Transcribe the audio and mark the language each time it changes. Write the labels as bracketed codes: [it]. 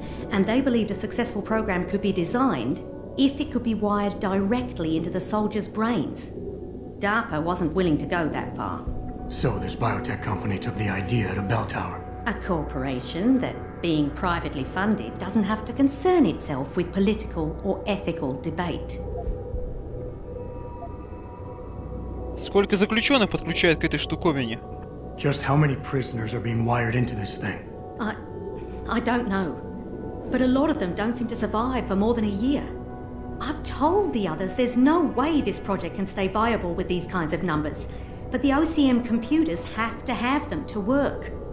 [en] And they believed a successful program could be designed if it could be wired directly into the soldiers' brains. DARPA wasn't willing to go that far. So this biotech company took the idea to Bell Tower. A corporation that, being privately funded, doesn't have to concern itself with political or ethical debate. [ru] Сколько заключенных подключают к этой штуковине? [en] Just how many prisoners are being wired into this thing? I don't know. But a lot of them don't seem to survive for more than a year. I've told the others there's no way this project can stay viable with these kinds of numbers. But the OCM computers have to have them to work.